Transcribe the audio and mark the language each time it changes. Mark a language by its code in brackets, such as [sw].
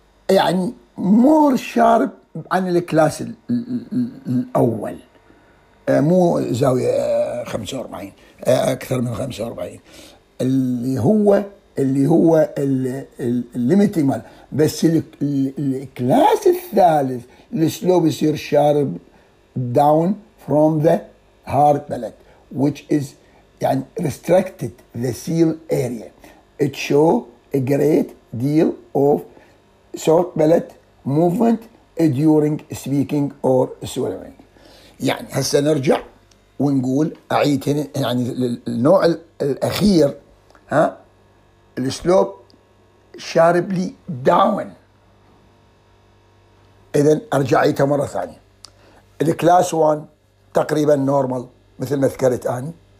[ar] يعني مور شارب عن الكلاس الأول، مو زاوية 45 أكثر من 45 اللي هو الليميتنج مال، بس الكلاس الثالث السلوب يصير [en] sharp down from the hard palate which is [ar] يعني [en] restricted the seal area. It show a great deal of short bullet movement during speaking or swallowing. [ar] يعني هسه نرجع ونقول أعيد يعني النوع الأخير ها السلوب [en] sharply down. [ar] إذن أرجع عيدها مرة ثانية. الكلاس 1 تقريبا نورمال مثل ما ذكرت أنا.